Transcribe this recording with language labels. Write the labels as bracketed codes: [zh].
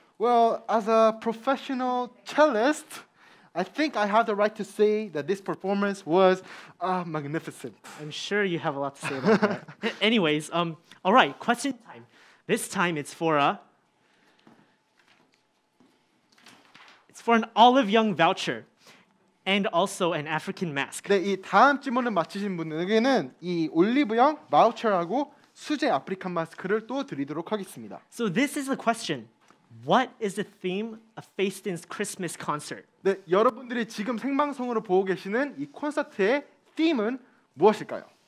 [en] Well, as a professional cellist, I think I have the right to say that this performance was magnificent. I'm sure you have a lot to say about that. Anyways, all right, question time. This time it's for a... It's for an Olive Young voucher and also an African mask. [ko] 네, 이 다음 질문을 맞히신 분에게는 이 올리브 영 마우처라고 수제 아프리카 마스크를 또 드리도록 하겠습니다. [en] So this is the question. What is the theme of Fayston's Christmas concert? [ko] 네, 여러분들이 지금 생방송으로 보고 계시는 이 콘서트의 theme은 무엇일까요?